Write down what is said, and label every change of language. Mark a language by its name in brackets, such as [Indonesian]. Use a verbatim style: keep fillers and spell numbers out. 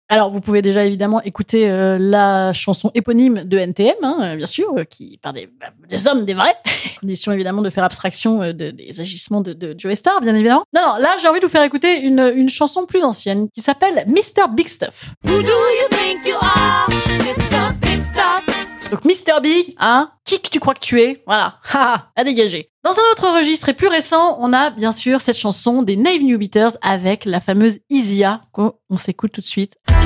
[French] Alors, vous pouvez déjà évidemment écouter euh, la chanson éponyme de N T M, hein, bien sûr, euh, qui parle des, bah, des hommes, des vrais. Condition évidemment de faire abstraction euh, de, des agissements de, de Joey Starr, bien évidemment. Non, non, là, j'ai envie de vous faire écouter une, une chanson plus ancienne qui s'appelle mister Big Stuff. [English] Who do you think you are, mister Big Stuff? [French] Donc mister B, hein, qui que tu crois que tu es, voilà, haha, à dégager. Dans un autre registre et plus récent, on a bien sûr cette chanson des Naive New Beaters avec la fameuse Isia, qu'on s'écoute tout de suite.